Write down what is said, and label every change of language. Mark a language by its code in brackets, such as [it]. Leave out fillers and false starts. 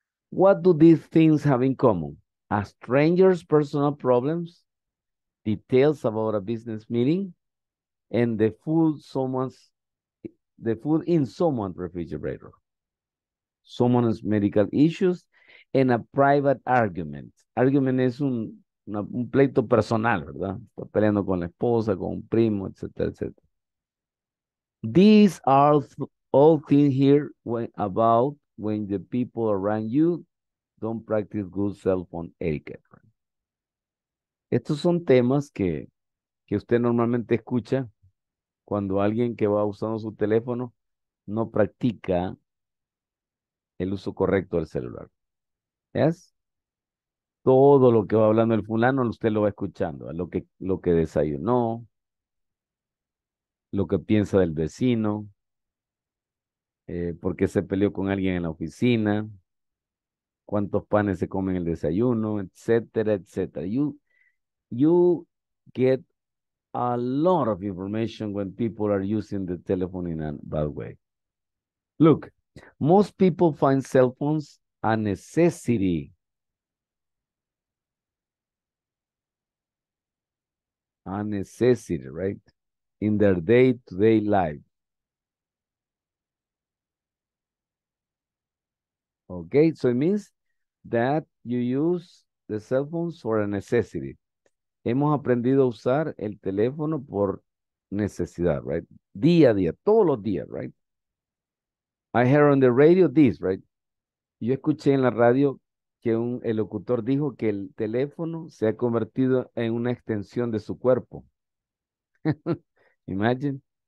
[en] What do these things have in common? A stranger's personal problems, details about a business meeting, and the food in someone's refrigerator, someone's medical issues, and a private argument. [es] Argument es un pleito personal, ¿verdad? Está peleando con la esposa, con un primo, etcétera, etcétera. [en] These are all things here when the people around you don't practice good cell phone etiquette. [es] Estos son temas que usted normalmente escucha cuando alguien que va usando su teléfono no practica el uso correcto del celular. ¿Yes? Todo lo que va hablando el fulano, usted lo va escuchando. Lo que desayunó, lo que piensa del vecino, por qué se peleó con alguien en la oficina, cuántos panes se comen en el desayuno, etcétera, etcétera. [en] You get a lot of information when people are using the telephone in a bad way. Look, most people find cell phones a necessity. A necessity, right? In their day-to-day life. Okay, so it means that you use the cell phones for a necessity. [es] Hemos aprendido a usar el teléfono por necesidad, right? Día a día, todos los días, [en] right? I heard on the radio this, right? [es] Yo escuché en la radio que el locutor dijo que el teléfono se ha convertido en una extensión de su cuerpo. Imagine.